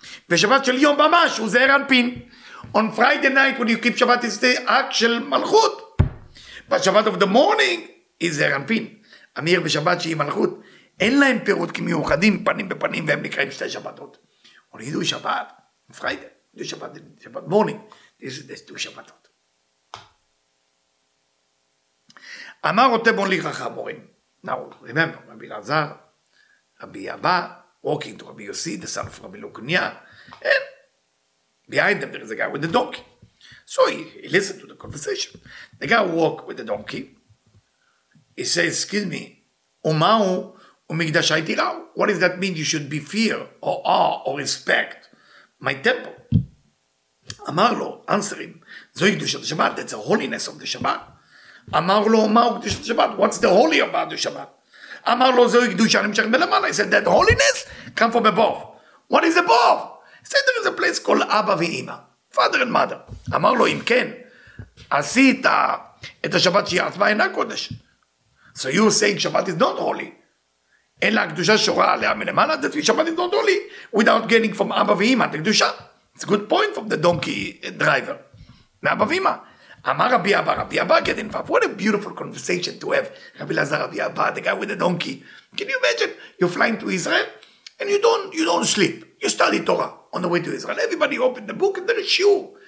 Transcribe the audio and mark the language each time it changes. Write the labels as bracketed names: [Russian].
[Hebrew] ושבת של יום ממש, הוא זהר אנפין. [English] On Friday night, when you keep Shabbat, it's the act [Hebrew] של מלכות. [English] But Shabbat of the morning, is [Hebrew] זהר אנפין. אמיר ושבת שהיא מלכות. אין להם פירות כמיוחדים, פנים בפנים, והם נקראים שתי שבתות. [English] When you do Shabbat, Friday, do Shabbat, Shabbat morning, this is two Shabbatות. [Hebrew] אמר רותם בון לכך המורים. [English] Now, remember, רבי לעזר, רבי אבא, walking to Rabbi Yossi, the son of Rabbi Lukunia, and behind them there is a guy with a donkey. So he listened to the conversation. The guy walk with the donkey. He says, excuse me, [Hebrew] umahu umigdashai tirahu. [English] What does that mean? You should be fear or awe or respect my temple. [Hebrew] Amar lo, [English] answer him, [Hebrew] zoi kedushat Shabbat, [English] that's the holiness of the Shabbat. [Hebrew] Amar lo, umahu kedushat Shabbat, [English] what's the holy about the Shabbat? [Hebrew] אמר לו זוהי קדושה נמשך מלמעלה. [English] He said that holiness come from above. What is above? He said there is a place called אבא ואימא. Father and mother. [Hebrew] אמר לו אם כן. עשית את השבת שהיא עצמה אינה קודש. [English] So you saying שבת is not holy. [Hebrew] אין לה קדושה שורה עליה מלמעלה. [English] That means שבת is not holy. Without getting from אבא ואימא. [Hebrew] את הקדושה. [English] It's a good point from the donkey driver. [Hebrew] מאבא ואימא. [English] Amar Rabbi Abba, Rabbi Abba get in love. What a beautiful conversation to have. Rabbi Lazar, Rabbi Abba, the guy with the donkey. Can you imagine? You're flying to Israel and you don't sleep. You study Torah on the way to Israel. Everybody open the book and there is shiur.